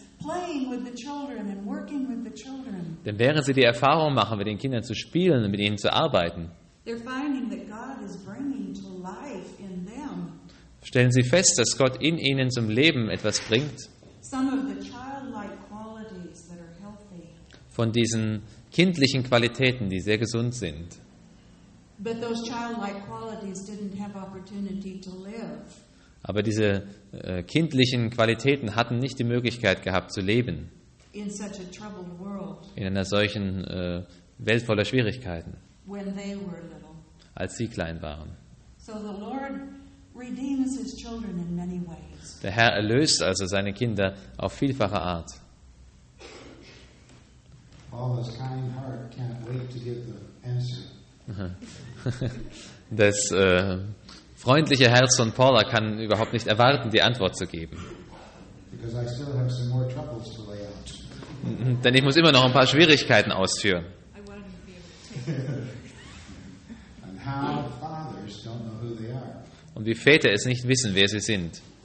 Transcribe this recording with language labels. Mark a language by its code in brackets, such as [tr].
[en] playing with the children and working with the children. [de] Denn während sie die Erfahrung machen, mit den Kindern zu spielen und mit ihnen zu arbeiten, [en] they're finding that God is bringing to life in them. [de] Stellen sie fest, dass Gott in ihnen zum Leben etwas bringt. [en] Some of the childlike qualities that are healthy. [de] Von diesen kindlichen Qualitäten, die sehr gesund sind. [en] But those childlike qualities didn't have opportunity to live. [de] Aber diese kindlichen Qualitäten hatten nicht die Möglichkeit gehabt zu leben. [en] In such a troubled world. [de] In einer solchen Welt voller Schwierigkeiten. [en] When they were little. [de] Als sie klein waren. [en] So the Lord redeems his children in many ways. [de] Der Herr erlöst also seine Kinder auf vielfache Art. [en] All his kind heart can't wait to get the answer. [de] Das freundliche Herz von Paula kann überhaupt nicht erwarten, die Antwort zu geben. [en] Because I still have some more troubles to lay out. [de] Denn ich muss immer noch ein paar Schwierigkeiten ausführen. [en] And how fathers don't know who they are. [de] Und wie Väter es nicht wissen, wer sie sind.